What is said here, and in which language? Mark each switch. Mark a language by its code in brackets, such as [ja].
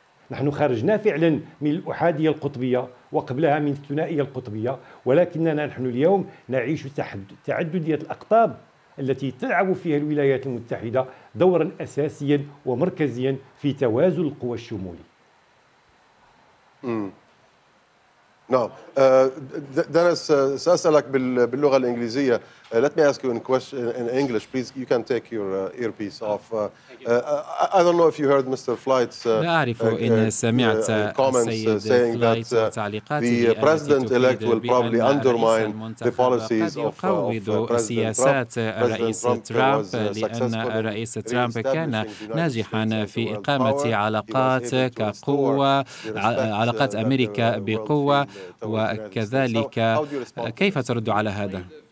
[ar] نحن خرجنا فعلا من الأحادية القطبية وقبلها من الثنائية القطبية، ولكننا نحن اليوم نعيش تعددية الأقطاب التي تلعب فيها الولايات المتحدة دورا أساسيا ومركزيا في توازن القوى الشمولي. نعم. دانس، سأسألك باللغة الإنجليزية. [en] Let me ask you in question in English, please. You can take your earpiece off. I don't know if you heard Mr. Flight's. [ar] لا أعرف إن سمعت [en] comments saying that the president-elect will probably undermine the policies of President Trump. [ar] رئيس ترامب، لأن الرئيس ترامب كان ناجحا في إقامة علاقات كقوة، علاقات أمريكا بقوة، وكذلك كيف ترد على هذا؟